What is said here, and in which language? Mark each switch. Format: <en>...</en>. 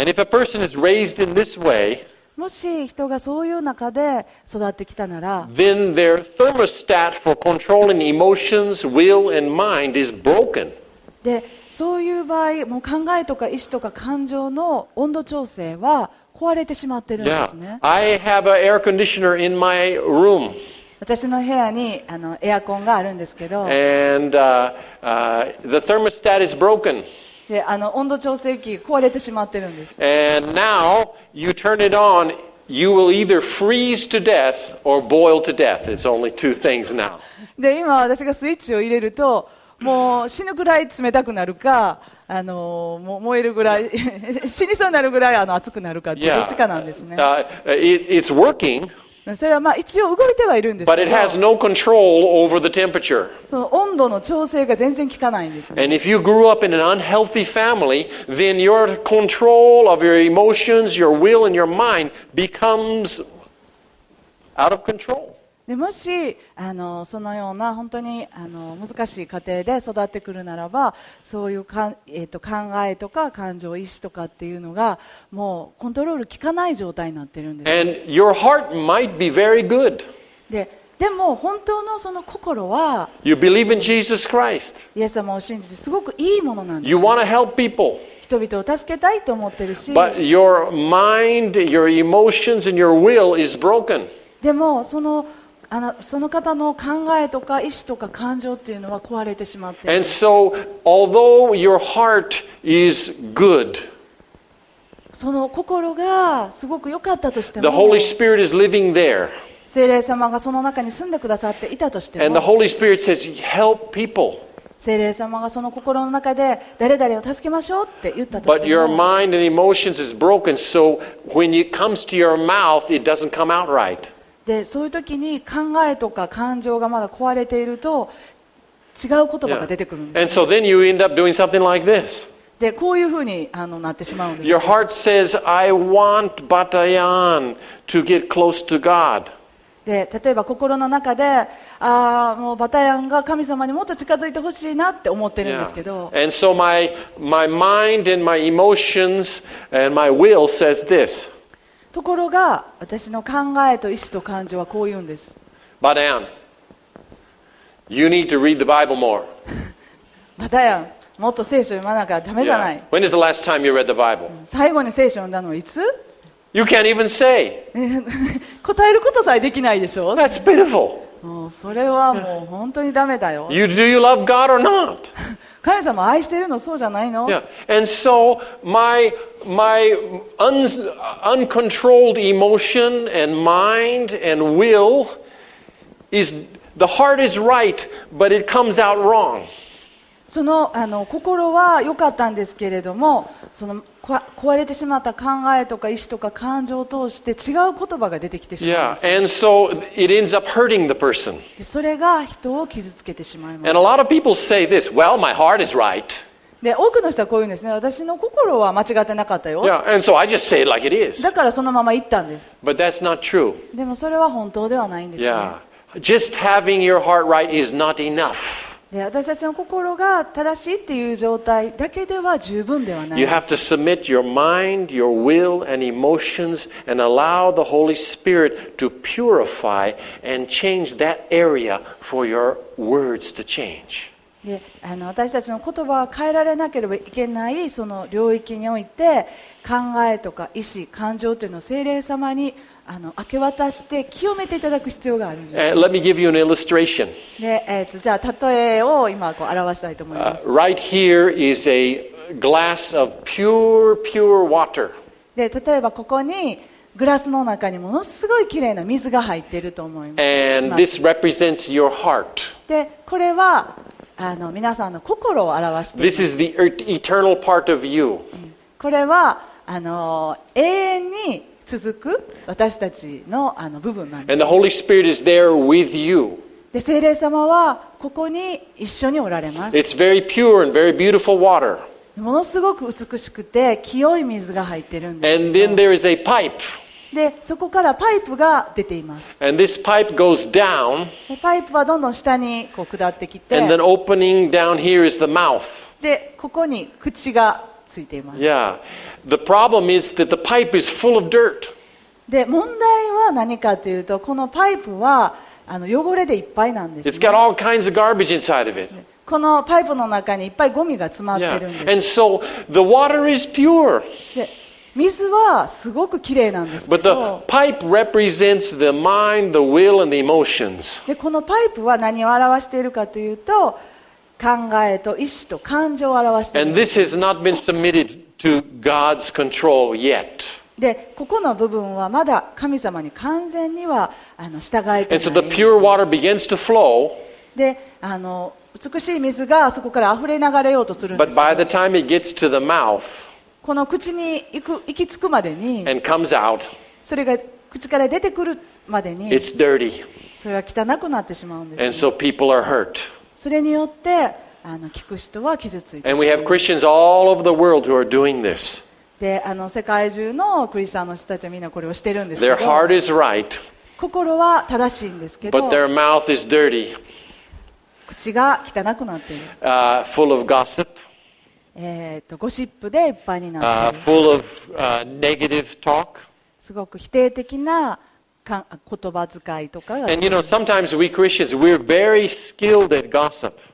<en>And if a person is raised in this way,</en> <ja>もし人がそういう中で育ってきたなら、</ja> <en>then their thermostat for controlling emotions, will, and mind is broken.</en> <ja>で、そういう場合、もう考えとか意思とか感情の温度調整は壊れてしまってるんですね。</ja> <en>Yeah. I have an air conditioner in my room.</en> <ja>私の部屋にあのエアコンがあるんですけど、</ja> <en>and the thermostat is broken.</en> <ja>であの温度調整器壊れてしまってるんです。</ja> <en>And now you turn it on, you will either freeze to death or boil to death. It's only two things now.</en> <ja>で今私がスイッチを入れると、もう死ぬぐらい冷たくなるか、もう燃えるぐらい死にそうになるぐらい熱くなるかどっちかなんですね。</ja> <en>It's working.</en> <ja>それはまあ一応動いてはいるんですけど、</ja> <en>no、control over the temperature.</en> <ja>その温度の調整が全然効かないんです、ね。</ja> <en>And if you grew up in an unhealthy family, then your control of your emotions, your will, and your mind becomes out of control.</en> <ja>でもしあのそのような本当にあの難しい家庭で育ってくるならば、そういう考えとか感情、意思とかっていうのがもうコントロール効かない状態になってるんです。</ja> <en>And your heart might be very good.</en> <ja>でも本当のその心は、</ja> <en>You believe in Jesus Christ.</en> <ja>イエス様を信じてすごくいいものなんです。</ja> <en>You want to help people.</en> <ja>人々を助けたいと思ってるし、</ja> <en>But your mind, your emotions, and your will is broken.</en> <ja>でもその方の考えとか意思とか感情っていうのは壊れてしまっている</ja> <en>。And so, although your heart is good,</en> <ja>その心がすごく良かったとしても、</ja> <en>The Holy Spirit is living there.</en> <ja>聖霊様がその中に住んでくださっていたとしても、</ja> <en>And the Holy Spirit says, help people.</en> <ja>聖霊様がその心の中で誰々を助けましょうって言ったとしても、</ja> <en>But your mind and emotions is broken, so when it comes to your mouth, it doesn't come out right.</en> <ja>でそういう時に考えとか感情がまだ壊れていると違う言葉が出てくるんです、ね。</ja> <en>And so then you end up doing something like this.</en> <ja>でこういうふうにあのなってしまうんです。</ja> <en>Your heart says, "I want Batayan to get close to God."</en> <ja>で例えば心の中で、もうバタヤンが神様にもっと近づいてほしいなって思ってるんですけど。</ja> <en>Yeah. And so my mind and my emotions and my will says this.</en> <ja>ところが私の考えと意思と感情はこう言うんです。</ja> <en>バタヤン、 You need to read the Bible more.</en> <ja>バタヤン、もっと聖書読まなきゃダメじゃない、</ja> <en>yeah. When is the last time you read the Bible?</en> <ja>最後に聖書読んだのはいつ？</ja> <en>You can't even say.</en> <ja>答えることさえできないでしょ。</ja> <en>That's pitiful.</en> <ja>それはもう本当にダメだよ。</ja> <en>You, do you love God or not?</en> <ja>神様愛してるのそうじゃないの</ja> <en>Yeah. And so my uncontrolled emotion and mind and will is the heart is right, but it comes out wrong.</en> <ja>その、 心は良かったんですけれども、その壊れてしまった考えとか意思とか感情を通して違う言葉が出てきてしまう。</ja> <en>Yeah, and so it ends up hurting the person.</en> <ja>それが人を傷つけてしまいます。</ja> <en>And a lot of people say this, well, my heart is right.</en> <ja>で、多くの人はこう言うんですね。私の心は間違ってなかったよ。</ja> <en>Yeah, and so I just say it like it is.</en> <ja>だからそのまま言ったんです。</ja> <en>But that's not true.</en> <ja>でもそれは本当ではないんですね。</ja> <en>Yeah, just having your heart right is not enough.</en> <ja>で私たちの心が正しいっていう状態だけでは十分ではない。</ja> <en>You have to submit your mind, your will, and emotions, and allow the Holy Spirit to purify and change that area for your words to change.</en> <ja>で私たちの言葉は変えられなければいけないその領域において、考えとか意思、感情というのを聖霊様に明け渡して清めていただく必要があるんです。</ja> <en>Let me give you an illustration.</en> <ja>で、じゃあ例えを今こう表したいと思います。</ja> <en>Right here is a glass of pure, pure water.</en> <ja>で、例えばここにグラスの中にものすごいきれいな水が入っていると思います。</ja> <en>And this represents your heart.</en> <ja>で、これは皆さんの心を表しています。</ja> <en>This is the eternal part of you.</en> <ja>これは永遠に続く私たち の, 部分なんです。</ja> <en>And the Holy Spirit is there with you.</en> <ja>で、聖霊様はここに一緒におられます。</ja> <en>It's very pure and very beautiful water.</en> <ja>ものすごく美しくて清い水が入ってるんです。</ja> <en>And then there is a pipe.</en> <ja>で、そこからパイプが出ています。</ja> <en>And this pipe goes down.</en> <ja>で、パイプはどんどん下にこう下ってきて。</ja> <en>And then opening down here is the mouth.</en> <ja>で、ここに口がついています。</ja> <en>Yeah. The problem is that the pipe is full of dirt.</en> <ja>で、問題は何かというと、このパイプは汚れでいっぱいなんです、ね。</ja> <en>It's got all kinds of garbage inside of it.</en> <ja>このパイプの中にいっぱいゴミが詰まってるんです。</ja> <en>Yeah. And so the water is pure.</en> <ja>で、水はすごくきれいなんですけど。</ja> <en>But the pipe represents the mind, the will, and the emotions.</en> <ja>で、このパイプは何を表しているかというと、考えと意思と感情を表しているんです。</ja> <en>And this has not been submitted. To God's control yet.</en> <ja>で、ここの部分はまだ神様に完全には従えていない。</ja> <en>And so the pure water begins to flow.</en> <ja>で、美しい水がそこから溢れ流れようとするんです。</ja> <en>But by the time it gets to the mouth,</en> <ja>この口に行き着くまでに、</ja> <en>and comes out,</en> <ja>それが口から出てくるまでに、</ja> <en>it's dirty.</en> <ja>それが汚くなってしまうんです。</ja> <en>And so people are hurt.</en> <ja>それによって聞く人は傷ついて。</ja> <en>And we have Christians all over the world who are doing this.</en> <ja>で、世界中のクリスチャンの人たちはみんなこれをしてるんですけど。</ja> <en>Their heart is right.</en> <ja>心は正しいんですけど。</ja> <en>But their mouth is dirty.</en> <ja>口が汚くなっている。</ja> <en>Full of gossip.</en> <ja>ゴシップでいっぱいになっている。</ja> <en>Full of negative talk.</en> <ja>すごく否定的な言葉遣いとかが。</ja> <en>And you know, sometimes we Christians we're very skilled at gossip.</en>